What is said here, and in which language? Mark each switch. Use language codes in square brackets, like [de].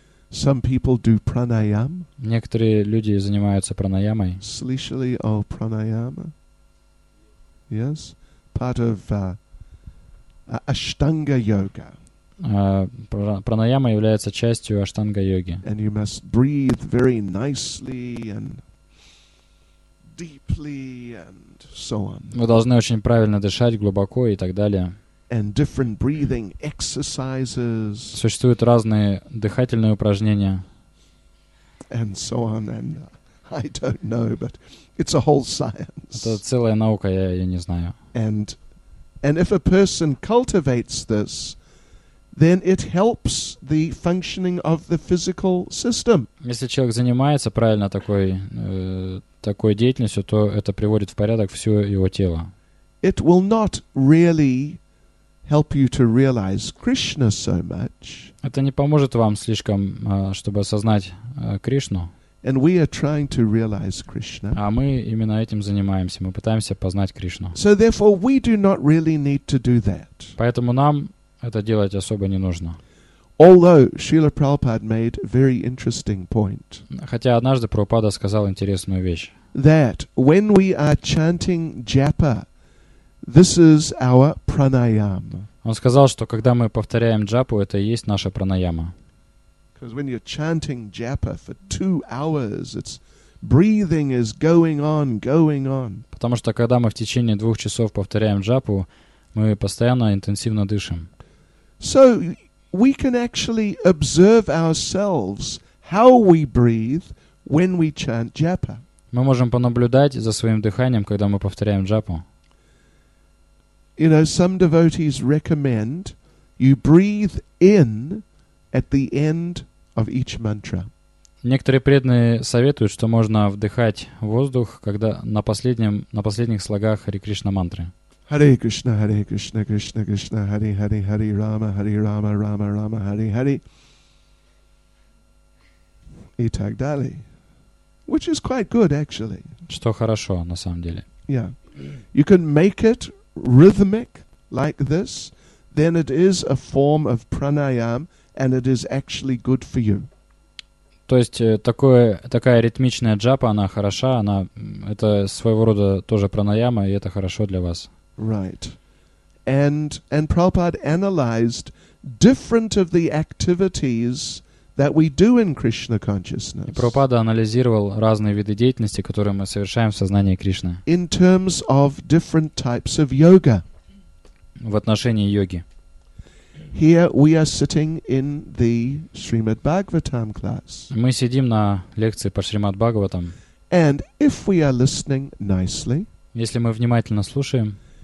[en] Some people do pranayam. [ru] Некоторые люди занимаются пранаямой. Слышали о пранаяме? [en] Yes, part of Ashtanga yoga. [ru] Пранаяма является частью Аштанга йоги. [en] And you must breathe very nicely and deeply and so on. [ru] Вы должны очень правильно дышать, глубоко и так далее. [en] And different breathing exercises. [ru] Существуют разные дыхательные упражнения. [en] And so on, and I don't know, but it's a whole science. [ru] Это целая наука, я не знаю. [en] And if a person cultivates this, then it helps the functioning of the physical system. [ru] Если человек занимается правильно такой деятельностью, то это приводит в порядок все его тело. [en] It will not really help you to realize Krishna so much. [ru] Это не поможет вам слишком, чтобы осознать Кришну. [en] And we are trying to realize Krishna. [ru] А мы именно этим занимаемся. Мы пытаемся познать Кришну. [en] So therefore we do not really need to do that. [ru] Поэтому нам это делать особо не нужно. [en] Although Srila Prabhupada made a very interesting point. [ru] Хотя однажды Прабхупада сказал интересную вещь. [en] That when we are chanting japa, this is our pranayama. [ru] Он сказал, что когда мы повторяем джапу, это и есть наша пранаяма. [en] Because when you're chanting japa for 2 hours, it's breathing is going on, going on. [ru] Потому что когда мы в течение 2 часов повторяем джапу, мы постоянно интенсивно дышим. [en] So we can actually observe ourselves how we breathe when we chant japa. [ru] Мы можем понаблюдать за своим дыханием, когда мы повторяем джапу. [en] You know, some devotees recommend you breathe in at the end of each mantra. [ru] Некоторые преданные советуют, что можно вдыхать воздух, когда на последних слогах Хари Кришна мантры. [sa] Hare Krishna, Hare Krishna, Krishna Krishna, Hare Hare, Hare Rama, Hare Rama, Rama Rama, Hare Hare. [ru] И так далее. [en] Which is quite good, actually. [ru] Что хорошо, на самом деле. [en] Yeah. You can make it rhythmic like this, then it is a form of pranayam, and it is actually good for you. [ru] То есть такая ритмичная джапа, она хороша, она это своего рода тоже пранаяма, и это хорошо для вас. [en] Right. And Prabhupada analyzed different of the activities that we do in Krishna consciousness. [ru] И Прабхупада анализировал разные виды деятельности, которые мы совершаем в сознании Кришны. [en] In terms of different types of yoga. [ru] В отношении йоги. [en] Here we are sitting in the Srimad Bhagavatam class. [ru] Мы сидим на лекции по Шримад Бхагаватам. [en] And if we are listening nicely, [ru] если мы внимательно слушаем,